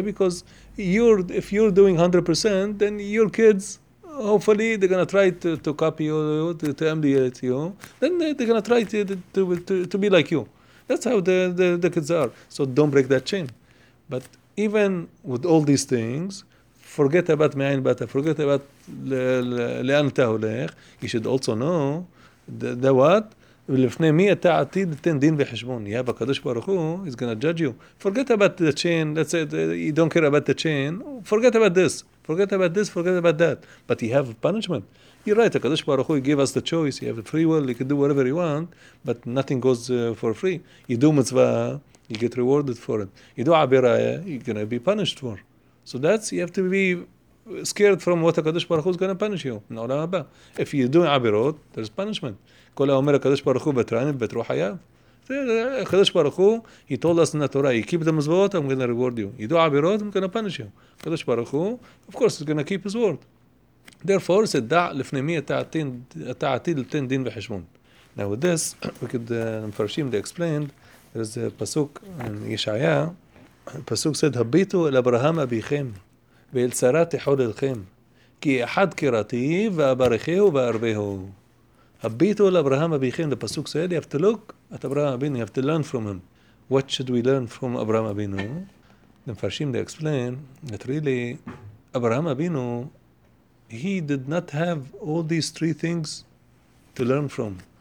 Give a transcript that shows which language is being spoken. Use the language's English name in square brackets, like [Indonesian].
[English] Because if you're doing 100%, then your kids, hopefully, they're going to try to copy you, to emulate you. Then they're going to try to be like you. That's how the kids are. So don't break that chain. But even with all these things, forget about [Hebrew] מאין באת, [English] forget about [Hebrew] לאן אתה הולך, [English] you should also know the what, [Hebrew] ולפני מי אתה עתיד לתן דין וחשבון. [English] יאב, הקדוש ברוך הוא, he's gonna judge you. Forget about the chain, let's say, you don't care about the chain, forget about this, forget about this, forget about that. But you have punishment. You're right, הקדוש ברוך הוא, he gave us the choice, you have the free will, you can do whatever you want, but nothing goes for free. You do mitzvah, you get rewarded for it. You do abirah, you're gonna be punished for. So that's, you have to be scared from what HaKadosh Baruch Hu is going to punish you in Olam Haba. If you do Abirot, there's punishment. [Hebrew] Kol HaOmer HaKadosh Baruch Hu Betranim Betru Hayav. [English] HaKadosh Baruch Hu, he told us in the Torah, you keep the mitzvot, I'm going to reward you. You do Abirot, I'm going to punish you. HaKadosh Baruch Hu, of course, is going to keep his word. Therefore, it's [Hebrew] a da' lefnei mi ata'atid l'ten din v'hishmon. [English] Now with this, we could, Mefarshim, they explained, there is a pasuk in Yeshaya. [Hebrew] הפסוק said, הביטו אל אברהם אביכם ואל שרה תחול אלכם כי אחד קראתי ואברכהו וארבהו. הביטו אל אברהם אביכם, [English] the פסוק said, you have to look at אברהם אבינו, you have to learn from him. What should we learn from אברהם אבינו? The מפרשים, they explain that really אברהם אבינו, he did not have all these three things to learn from.